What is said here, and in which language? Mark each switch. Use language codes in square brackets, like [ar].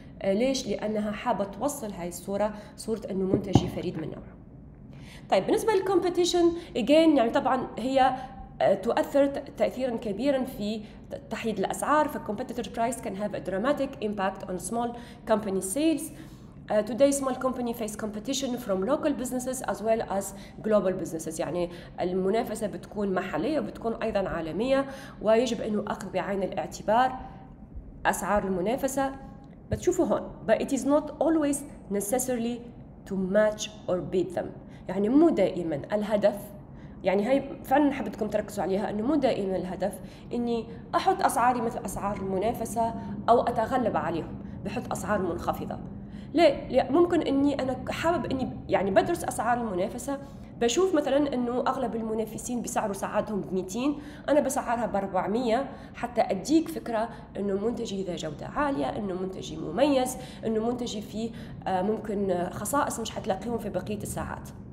[ar] ليش؟ لأنها حابة توصل هاي الصورة، صورة أنه منتجي فريد من نوعه. طيب بالنسبة للكومبيتيشن إيجين، يعني طبعا هي تؤثر تأثيرا كبيرا في تحديد الأسعار. [en] فالكومبيتيتور برايس كان have dramatic impact on small company sales. Today small company face competition from local businesses as well as global businesses. [ar] يعني المنافسة بتكون محلية وبتكون أيضا عالمية، ويجب أنه أخذ بعين الاعتبار أسعار المنافسة. بتشوفوا هون، [en] but it is not always necessarily to match or beat them. [ar] يعني مو دائما الهدف، يعني هاي فعلا حبتكم تركزوا عليها، أنه مو دائما الهدف أني أحط أسعاري مثل أسعار المنافسة أو أتغلب عليهم بحط أسعار منخفضة. لا، ممكن اني انا حابب اني يعني بدرس اسعار المنافسه، بشوف مثلا انه اغلب المنافسين بسعروا ساعاتهم ب 200، انا بسعرها ب 400 حتى اديك فكره انه منتجي ذا جوده عاليه، انه منتجي مميز، انه منتجي فيه ممكن خصائص مش حتلاقيهم في بقيه الساعات.